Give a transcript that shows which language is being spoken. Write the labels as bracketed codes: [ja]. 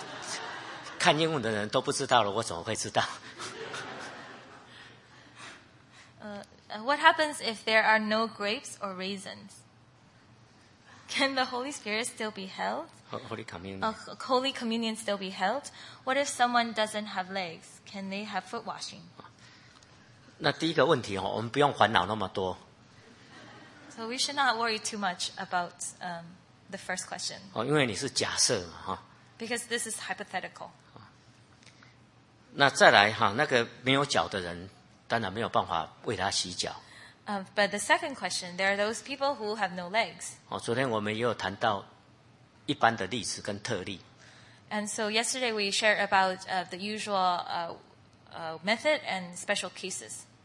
[zh] 这个是什么意思？你也不知道哈，那我们就跳过去。看英文的人都不知道了，我怎么会知道？ [en] What happens if there are no grapes or raisins? Can the Holy Spirit still be held? Holy Communion. Holy Communion still be held? What if someone doesn't have legs? Can they have foot washing? [zh] 那第一个问题，我们不用烦恼那么多。 [en] So we should not worry too much about the first question. [zh] 因为你是假设嘛，哈。 [en] Because this is hypothetical. [zh] 那再来哈，那个没有脚的人。当然没有办法为他洗脚。 [en] But the second question, there are those people who have no legs. [zh] 昨天我们也有谈到一般的例子跟特例。 [en] And so yesterday we shared about the usual method and special cases.